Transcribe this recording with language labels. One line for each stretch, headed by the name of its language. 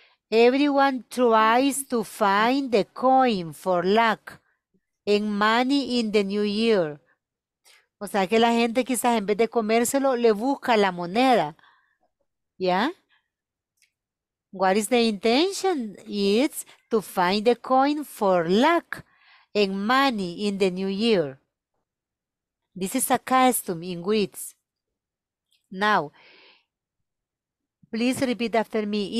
English: Everyone tries to find the coin for luck and money in the new year.
Spanish: O sea que la gente quizás en vez de comérselo, le busca la moneda.
English: ¿Ya? What is the intention? It's to find the coin for luck and money in the new year. This is a custom in Greece. Now, please repeat after me.